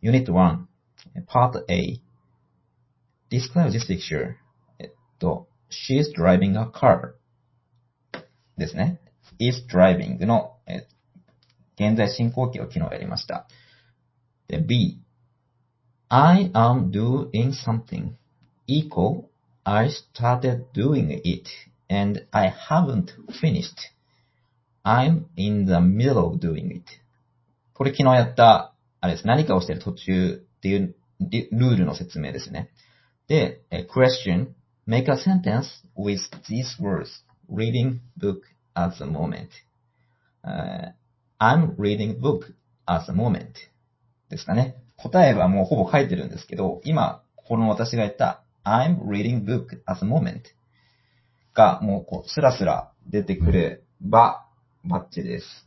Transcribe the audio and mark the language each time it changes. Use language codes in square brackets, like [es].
[en] Unit 1, Part A. Describe this picture. She's driving a car. [ja] ですね。 Is driving の現在進行形を昨日やりました。 [en] で、B. I am doing something. Equal, I started doing it, and I haven't finished. I'm in the middle of doing it. [ja] これ昨日やった、あれです。何かをしている途中っていうルールの説明ですね。 [en] で、question. Make a sentence with these words. Reading book at the moment. I'm reading book at the moment. [ja] ですかね。答えはもうほぼ書いてるんですけど、今、この私が言った [en] I'm reading book at the moment [ja] がもうこう、スラスラ出てくれば、バッチリです。